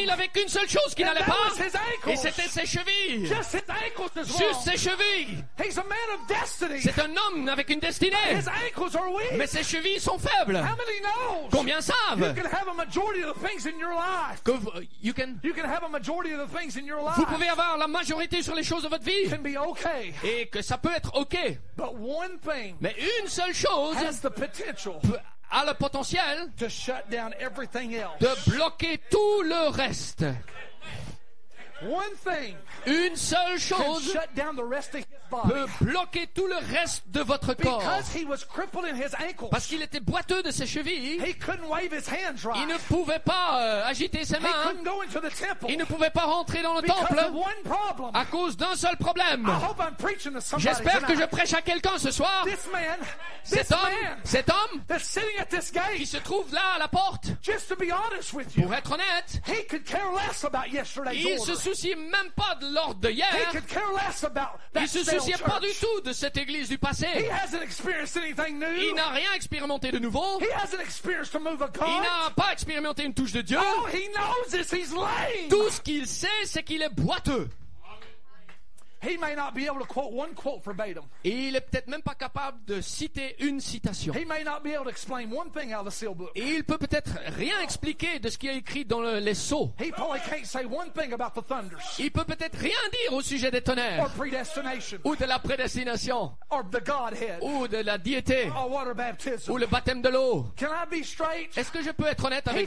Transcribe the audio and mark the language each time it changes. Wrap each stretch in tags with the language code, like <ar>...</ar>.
<fr>Il n'avait qu'une seule chose qui n'allait</fr> <en>that</en> <fr>pas.</fr> <en>Was his ankles.</en> <fr>Et c'était ses chevilles.</fr> <en>Just his ankles as well.</en> <fr>Juste ses chevilles.</fr> <en>He's a man of destiny.</en> <fr>C'est un homme avec une destinée.</fr> <en>His ankles are weak.</en> <fr>Mais ses chevilles sont faibles.</fr> <en>How many know?</en> <fr>Combien savent?</fr> <en>You can have a majority of the things in your life.</en> <fr>Que</fr> <en>you can have a majority of the things in your life.</en> <fr>Vous pouvez avoir la majorité sur les choses de votre vie.</fr> <en>Can be okay.</en> <fr>Et que ça peut être ok.</fr> <en>But one thing.</en> <fr>Mais une seule chose.</fr> <en>Has the potential.</en> <fr>A le potentiel.</fr> <en>To shut down everything else.</en> <fr>De bloquer tout le reste.</fr> <en>One thing</en> <fr>une seule chose</fr> <en>shut down the rest of his body.</en> <fr>Peut bloquer tout le reste de votre corps.</fr> <en>Because he was crippled in his ankles.</en> <fr>Parce qu'il était boiteux de ses chevilles.</fr> <en>He couldn't wave his hands right.</en> <fr>Il ne pouvait pas agiter ses mains.</fr> <en>He couldn't go into the temple.</en> <fr>Il ne pouvait pas rentrer dans le</fr> <en>because</en> <fr>temple</fr> <en>of one problem.</en> <fr>À cause d'un seul problème.</fr> <en>I hope I'm preaching to somebody</en> <fr>j'espère</fr> <en>tonight.</en> <fr>Que je prêche à quelqu'un ce soir.</fr> <en>This man,</en> <fr>cet homme</fr> <en>that's sitting at this gate,</en> <fr>qui se trouve là à la porte</fr> <en>just to be honest with you,</en> <fr>pour être honnête</fr> <en>he could care less about yesterday's order.</en> <fr>Il ne se souciait même pas de l'ordre de hier.</fr> <en>He could care less about that.</en> <fr>Il ne se souciait pas du tout de cette église du passé.</fr> <en>He hasn't experienced anything new.</en> <fr>Il n'a rien expérimenté de nouveau.</fr> <en>He hasn't experienced the move of God.</en> <fr>Il n'a pas expérimenté une touche de Dieu.</fr> <en>All he knows is he's lame.</en> <fr>Tout ce qu'il sait, c'est qu'il est boiteux.</fr> <en>He may not be able to quote one quote verbatim.</en> <fr>Et il est peut-être même pas capable de citer une citation.</fr> <en>He may not be able to explain one thing out of the sealed book.</en> <fr>Et il peut peut-être rien expliquer de ce qui est écrit dans les sceaux.</fr> <en>He probably can't say one thing about the thunders.</en> <fr>Il peut peut-être rien dire au sujet des tonnerres.</fr> <en>Or predestination.</en> <fr>Ou de la prédestination.</fr> <en>Or the Godhead.</en> <fr>Ou de la deité.</fr> <en>Or water baptism.</en> <fr>Ou le baptême de l'eau.</fr> <en>Can I be straight?</en> <fr>Est-ce que je peux être honnête avec</fr>